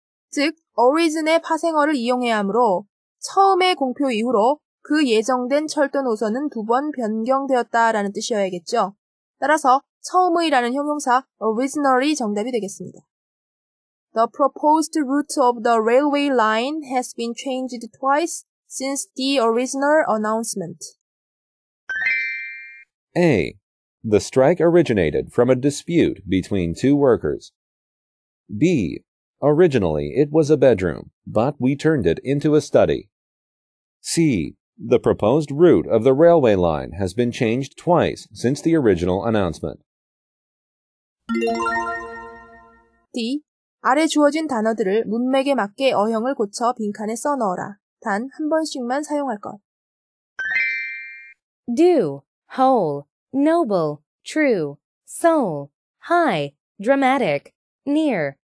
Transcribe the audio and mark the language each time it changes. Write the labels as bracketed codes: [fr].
[ko] 즉, origin의 파생어를 이용해야 하므로 처음의 공표 이후로 그 예정된 철도 노선은 두 번 변경되었다라는 뜻이어야겠죠. 따라서 처음의라는 형용사 originally 정답이 되겠습니다. [en] The proposed route of the railway line has been changed twice since the original announcement. A. The strike originated from a dispute between two workers. B. Originally it was a bedroom, but we turned it into a study. C. The proposed route of the railway line has been changed twice since the original announcement. D. [ko] 아래 주어진 단어들을 문맥에 맞게 어형을 고쳐 빈칸에 써 넣어라. 단 한 번씩만 사용할 것. [en] Do, whole, noble, true, soul, high, dramatic, near.